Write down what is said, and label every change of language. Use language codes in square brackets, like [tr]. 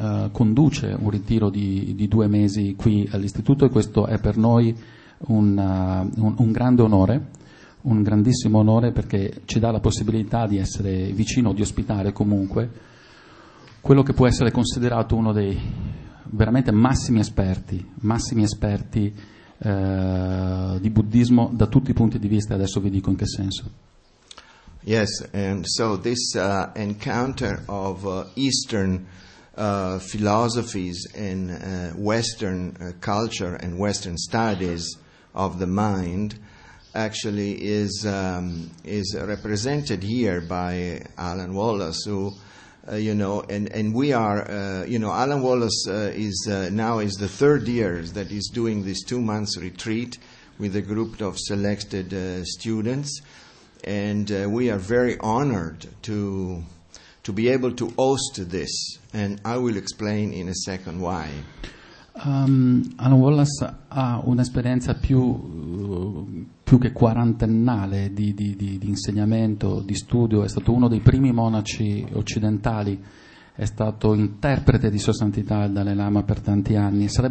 [it] conduce un ritiro di 2 mesi qui all'Istituto, e questo è per noi un grande onore, un grandissimo onore, perché ci dà la possibilità di essere vicino, di ospitare comunque quello che può essere considerato uno dei veramente massimi esperti di buddismo da tutti i punti di vista. Adesso vi dico in che senso. [en] Yes, and so this encounter of Eastern philosophies and Western culture and Western studies of the mind actually is represented here by Alan Wallace, who, you know, and we are, you know, Alan Wallace is now the third year that he's doing this 2 months retreat with a group of selected students. And we are very honored to be able to host this, and I will explain in a second why. [it] Alan Wallace ha un'esperienza più che quarantennale di insegnamento, di studio. È stato uno dei primi monaci occidentali, è stato interprete di Sua Santità il Dalai Lama per tanti anni.